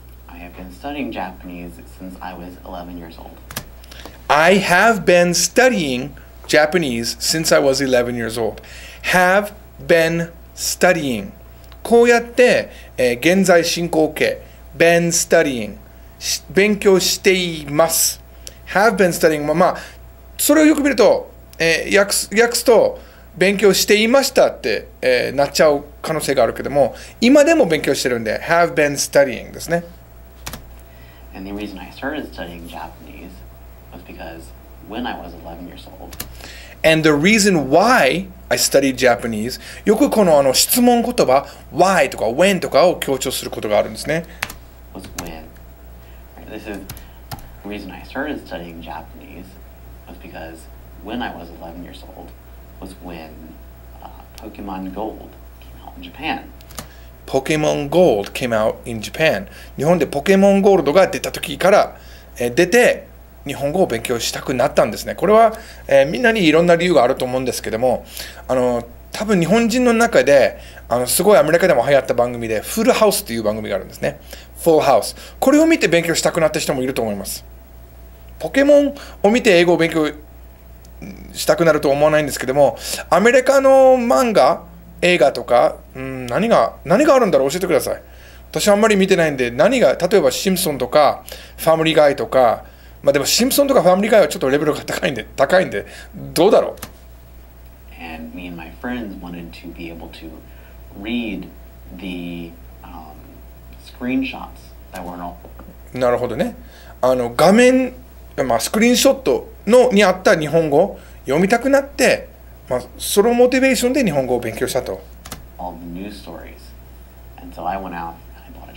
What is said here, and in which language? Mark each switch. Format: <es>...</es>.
<en>I have been studying Japanese since I was 11 years old. I have been studying Japanese since I was 11 years old. Have been studying.</en> <ja>こうやって、現在進行形。</ja> <en>Been studying.</en> <ja>勉強しています。</ja> <en>Have been studying.</en> <ja>まあ、それをよく見ると、訳すと、勉強していましたって、なっちゃう可能性があるけども、今でも勉強してるんで、</ja> <en>Have been studying</en> <ja>ですね。</ja> <en>And the reason I started studying Japanese was because when I was 11 years old. And the reason why I studied Japanese,</en> <ja>よくこの質問言葉、why とか when とかを強調することがあるんですね。</ja> <en>This is the reason I started studying Japanese was because when I was 11 years old was when Pokemon Gold came out in Japan. Pokemon Gold came out in Japan.</en> <ja>日本でポケモンゴールドが出た時から、出て日本語を勉強したくなったんですね。これは、みんなにいろんな理由があると思うんですけども、多分日本人の中ですごいアメリカでも流行った番組でフルハウスという番組があるんですね。フルハウス。これを見て勉強したくなった人もいると思います。ポケモンを見て英語を勉強したくなると思わないんですけども、アメリカの漫画、映画とか、何があるんだろう教えてください。私はあんまり見てないんで、例えばシンプソンとかファミリーガイとか、まあでもシンプソンとかファミリーガイはちょっとレベルが高いんで、どうだろう。</ja> <en>And me and my friends wanted to be able to read the screenshots that were not.</en> <ja>なるほどね。画面、まあ、スクリーンショットのにあった日本語を読みたくなって、まあ、そのモチベーションで日本語を勉強したと。</ja> <en>All the news stories. And so I went out and</en>